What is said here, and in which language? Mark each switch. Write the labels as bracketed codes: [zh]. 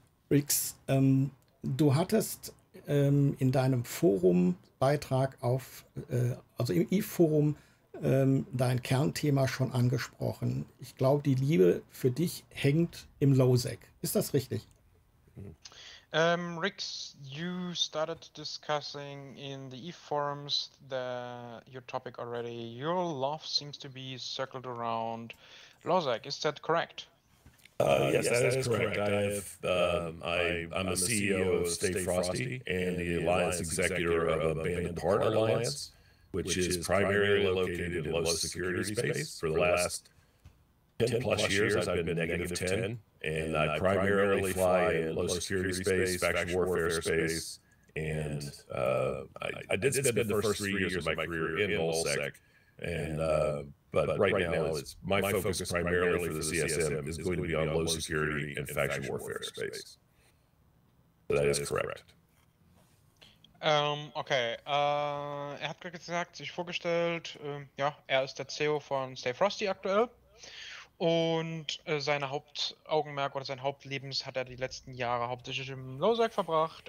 [de] Rix, du hattest in deinem Forum-Beitrag auf, also im E-Forum, dein Kernthema schon angesprochen. Ich glaube, die Liebe für dich hängt im Losec. Ist das richtig? [en] Rix, you started discussing in the E-Forums your topic already. Your love seems to be circled around Losec. Is that correct? Yes, that is correct. I'm the CEO of Stay Frosty and the Alliance Executor of Abandoned Heart Alliance, which is primarily located in low security space. For the last 10-plus years, I've been negative 10, and I primarily fly in low security space, faction warfare space, and I did spend the first 3 years of my career in LulzSec, and... But right now, my focus primarily for the CSM is going to be on low security and faction warfare space. So that is correct. [de] Okay, er hat gerade gesagt, sich vorgestellt, ja, er ist der CEO von Stay Frosty aktuell. Und sein Hauptaugenmerk oder sein Hauptlebens hat er die letzten Jahre hauptsächlich im Losec verbracht.